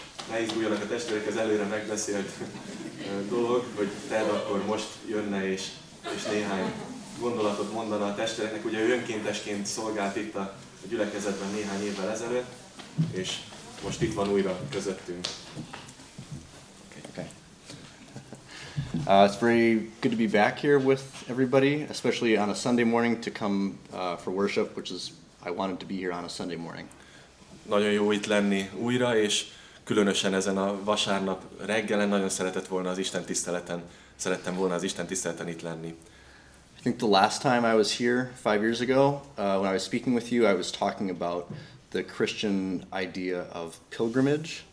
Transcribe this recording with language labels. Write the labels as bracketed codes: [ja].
[hu] Ne izguljanak a testvérek, ez előre megbeszélt dolog, hogy Ted akkor most jönne és néhány gondolatot mondaná a testvéreknek. Ugye ő önkéntesként szolgált itt a gyülekezetben néhány évvel ezelőtt, és most itt van újra közöttünk. [en] It's very good to be back here with everybody, especially on a Sunday morning to come for worship, which is I wanted to be here on a Sunday morning. [hu] Nagyon jó itt lenni újra, és különösen ezen a vasárnap reggelen nagyon szeretett volna az Isten tiszteleten, szerettem volna az Isten tiszteleten itt lenni. [en] I think the last time I was here 5 years ago, when I was speaking with you, I was talking about the Christian idea of pilgrimage.